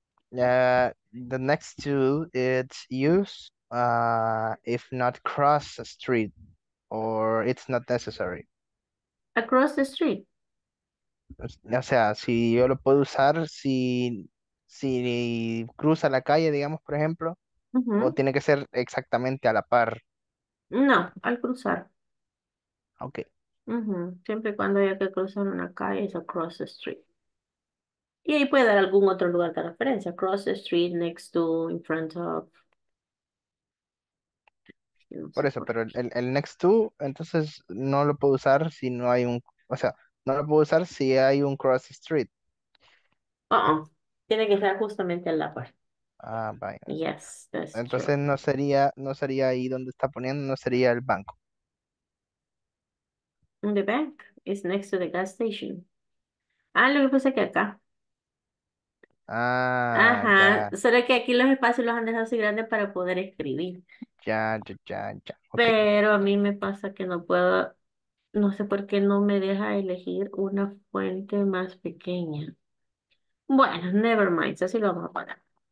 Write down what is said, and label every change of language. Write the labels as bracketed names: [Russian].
[English] The next two, it's use if not cross the street or it's not necessary. Across the street. [Spanish] O sea, si yo lo puedo usar si, si cruza la calle, digamos, por ejemplo. ¿O tiene que ser exactamente a la par? No, al cruzar. Ok. Siempre cuando haya que cruzar una calle es across the street. Y ahí puede dar algún otro lugar de referencia. [English] Across the street, next to, in front of. [Spanish] Por eso, pero el next to, entonces no lo puedo usar si no hay un... O sea, no lo puedo usar si hay un cross the street. Tiene que ser justamente a la par. Ah, vaya. [English] Yes, that's [Spanish] entonces [English] true. [Spanish] no sería ahí donde está poniendo, no sería el banco. [English] The bank is next to the gas station. [Spanish] Ah, lo que pasa es que acá. Ah, ajá. Ya. Solo que aquí los espacios los han dejado así grandes para poder escribir. Ya. Okay. Pero a mí me pasa que no puedo, no sé por qué no me deja elegir una fuente más pequeña. Bueno, [English] never mind, [Spanish] así lo vamos a poner.